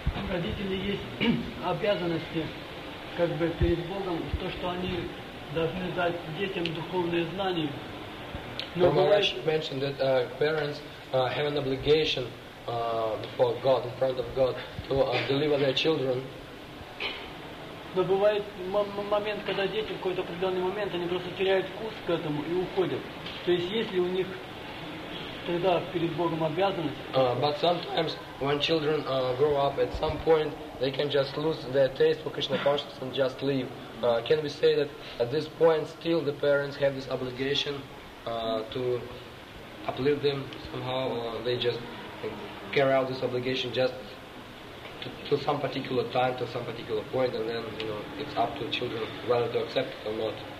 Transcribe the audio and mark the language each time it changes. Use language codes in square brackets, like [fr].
[ru] Родители есть обязанности, как бы, перед Богом, то, что они должны дать детям духовные знания. [en] Но Махарадж mentioned that parents have an obligation before God, in front of God, to deliver their children. [ru] Но бывает момент, когда дети в какой-то определенный момент, они просто теряют вкус к этому и уходят. То есть есть ли у них тогда перед Богом обязанность? [en] But sometimes when children grow up, at some point they can just lose their taste for Krishna consciousness and just leave. Can we say that at this point still the parents have this obligation to uplift them somehow, or they just carry out this obligation just to some particular time, to some particular point, and then, you know, it's up to children whether to accept it or not?